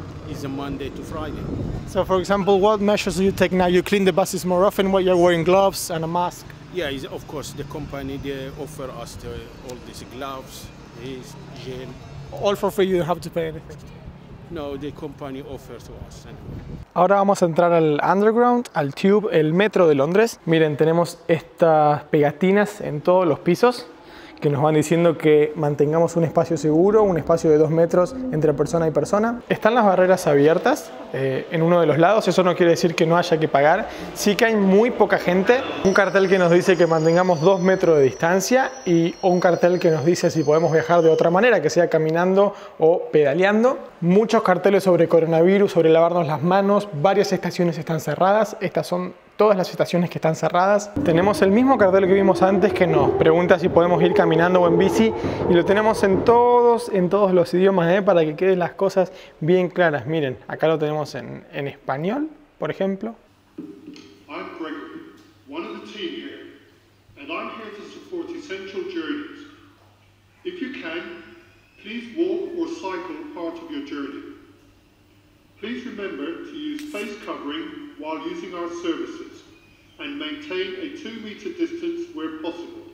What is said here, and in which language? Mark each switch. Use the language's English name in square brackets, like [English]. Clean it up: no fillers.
[English] Is a Monday to Friday. So, for example, what measures do you take now? You clean the buses more often, while you're wearing gloves and a mask? Yeah, of course, the company, they offer us all these gloves, this gel. All for free, you don't have to pay anything? No, the company offers to us anyway. [Spanish] Ahora vamos a entrar al underground, al tube, el metro de Londres. Miren, tenemos estas pegatinas en todos los pisos que nos van diciendo que mantengamos un espacio seguro, un espacio de 2 metros entre persona y persona. Están las barreras abiertas en uno de los lados, eso no quiere decir que no haya que pagar. Sí que hay muy poca gente. Un cartel que nos dice que mantengamos 2 metros de distancia y un cartel que nos dice si podemos viajar de otra manera, que sea caminando o pedaleando. Muchos carteles sobre coronavirus, sobre lavarnos las manos. Varias estaciones están cerradas. Estas son todas las estaciones que están cerradas. Tenemos el mismo cartel que vimos antes que nos pregunta si podemos ir caminando o en bici y lo tenemos en todos los idiomas, ¿eh? Para que queden las cosas bien claras. Miren, acá lo tenemos en español, por ejemplo. [English] I'm Gregory, one of the team here, and I'm here to support essential journeys. If you can, please walk or cycle part of your journey. Please remember to use face covering while using our services and maintain a 2 meter distance where possible.